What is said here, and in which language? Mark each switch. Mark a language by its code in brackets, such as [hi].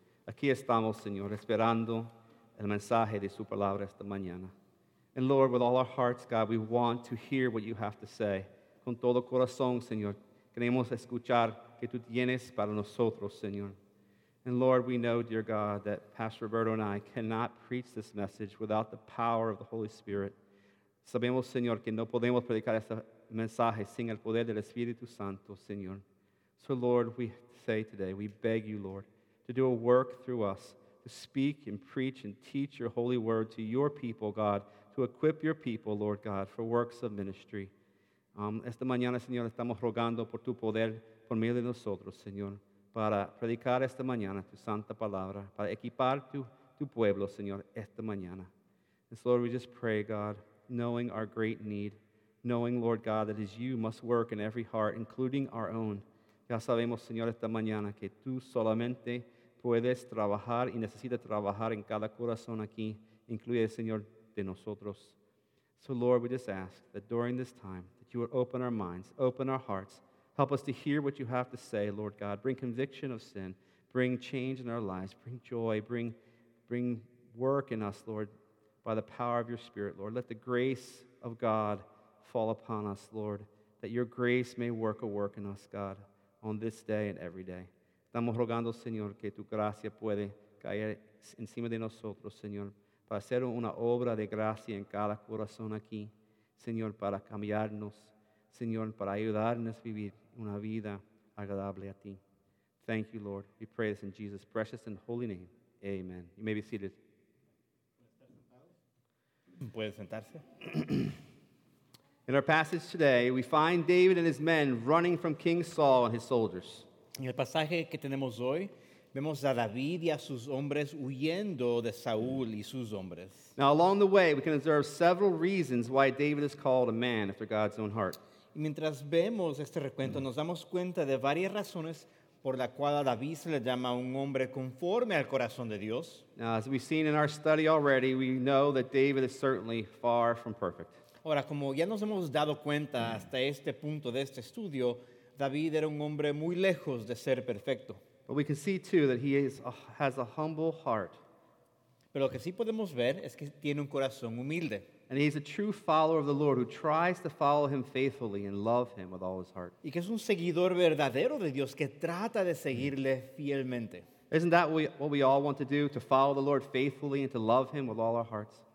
[es] Aquí estamos, Señor, esperando el mensaje de su palabra esta mañana. [en] And Lord, with all our hearts, God, we want to hear what you have to say. [es] Con todo corazón, Señor, queremos escuchar que tú tienes para nosotros, Señor. [en] And Lord, we know, dear God, that Pastor Roberto and I cannot preach this message without the power of the Holy Spirit. [es] Sabemos, Señor, que no podemos predicar este mensaje sin el poder del Espíritu Santo, Señor. [en] So, Lord, we say today, we beg you, Lord, to do a work through us, to speak and preach and teach your holy word to your people, God, to equip your people, Lord God, for works of ministry. [es] Esta mañana, Señor, estamos rogando por tu poder, por medio de nosotros, Señor, para predicar esta mañana tu santa palabra, para equipar tu pueblo, Señor, esta mañana. [en] And so, Lord, we just pray, God, knowing our great need, knowing, Lord God, that as you must work in every heart, including our own. [es] Ya sabemos, Señor, esta mañana que tú solamente puedes trabajar y necesitas trabajar en cada corazón aquí incluye el Señor de nosotros. [en] So, Lord, we just ask that during this time that you would open our minds, open our hearts, help us to hear what you have to say, Lord God. Bring conviction of sin. Bring change in our lives. Bring joy. Bring work in us, Lord, by the power of your Spirit, Lord. Let the grace of God fall upon us, Lord, that your grace may work a work in us, God, on this day and every day. [es] Estamos rogando, Señor, que tu gracia puede caer encima de nosotros, Señor, para hacer una obra de gracia en cada corazón aquí, Señor, para cambiarnos, Señor, para ayudarnos a vivir una vida agradable a ti. [en] Thank you, Lord. We pray this in Jesus' precious and holy name. Amen. You may be seated. [es] Puede sentarse. [en] In our passage today, we find David and his men running from King Saul and his soldiers. [es] En el pasaje que tenemos hoy, vemos a David y a sus hombres huyendo de Saúl y sus hombres. [en] Now, along the way, we can observe several reasons why David is called a man after God's own heart. [es] Y mientras vemos este recuento, nos damos cuenta de varias razones por la cual a David se le llama un hombre conforme al corazón de Dios. [en] Now, as we've seen in our study already, we know that David is certainly far from perfect. [es] Ahora, como ya nos hemos dado cuenta hasta este punto de este estudio, David era un hombre muy lejos de ser perfecto. [en] But we can see too that he has a humble heart. [es] Pero lo que sí podemos ver es que tiene un corazón humilde. [en] And he's a true follower of the Lord who tries to follow him faithfully and love him with all his heart. [es] Y que es un seguidor verdadero de Dios que trata de seguirle fielmente. [en] Isn't that what we all want to do, to follow the Lord faithfully and to love him with all our hearts?